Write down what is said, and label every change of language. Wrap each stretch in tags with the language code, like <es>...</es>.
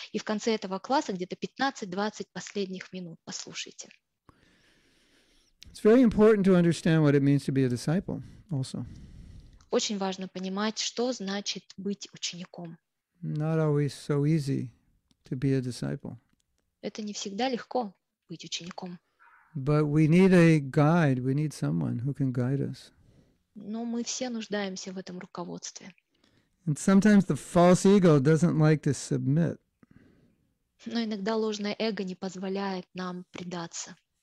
<ru>И в конце этого класса где-то 15-20 последних минут послушайте.</ru> <en>It's very important to understand what it means to be a disciple also.</en> <ru>Очень важно понимать, что значит быть учеником.</ru> <en>Not always so easy to be a disciple.</en> <ru>Это не всегда легко быть учеником.</ru> <en>But we need a guide, we need someone who can guide us.</en> <ru>Но мы все нуждаемся в этом руководстве.</ru> <en>And sometimes the false ego doesn't like to submit.</en> <ru>Но иногда ложное эго не позволяет нам предаться.</ru>